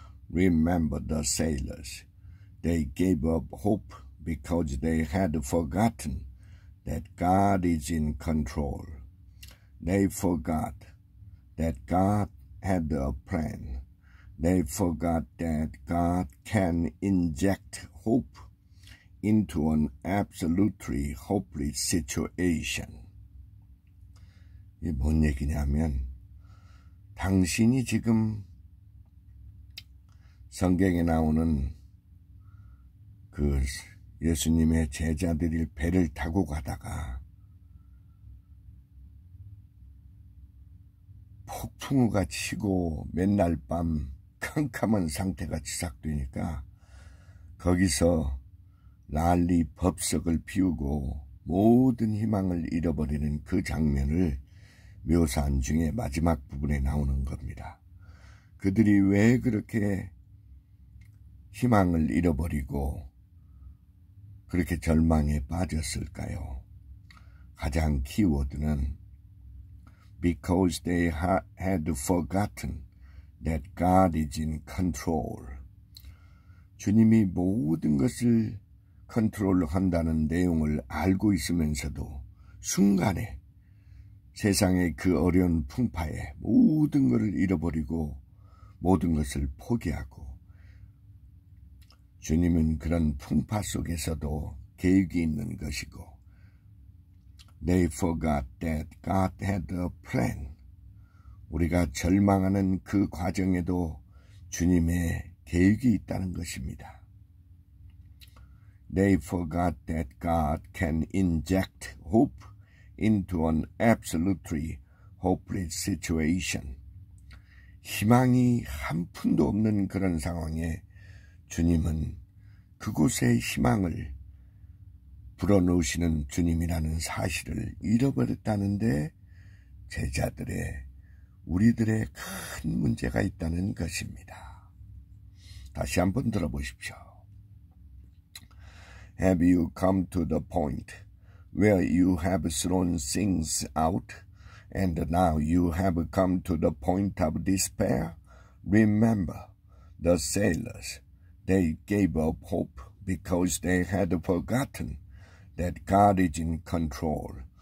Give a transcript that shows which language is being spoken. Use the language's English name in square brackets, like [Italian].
[English] Remember the sailors. They gave up hope because they had forgotten that God is in control. They forgot that God had a plan. They forgot that God can inject hope into an absolutely hopeless situation. [Korean] 이게 뭔 얘기냐면, 당신이 지금 성경에 나오는 그 예수님의 제자들이 배를 타고 가다가 폭풍우가 치고 맨날 밤 캄캄한 상태가 시작되니까 거기서 난리 법석을 피우고 모든 희망을 잃어버리는 그 장면을 묘사한 중에 마지막 부분에 나오는 겁니다. 그들이 왜 그렇게 희망을 잃어버리고 그렇게 절망에 빠졌을까요? 가장 키워드는 [English] Because they had forgotten that God is in control. [Korean] 주님이 모든 것을 컨트롤한다는 내용을 알고 있으면서도 순간에 세상의 그 어려운 풍파에 모든 것을 잃어버리고 모든 것을 포기하고 주님은 그런 풍파 속에서도 계획이 있는 것이고 [English] They forgot that God had a plan. [Korean] 우리가 절망하는 그 과정에도 주님의 계획이 있다는 것입니다. [English] They forgot that God can inject hope into an absolutely hopeless situation. [Korean] 희망이 한 푼도 없는 그런 상황에 주님은 그곳에 희망을 불어넣으시는 주님이라는 사실을 잃어버렸다는데 제자들의 우리들의 큰 문제가 있다는 것입니다. 다시 한번 들어보십시오. [English] Have you come to the point where you have thrown things out and now you have come to the point of despair? Remember the sailors. They gave up hope because they had forgotten that God is in control.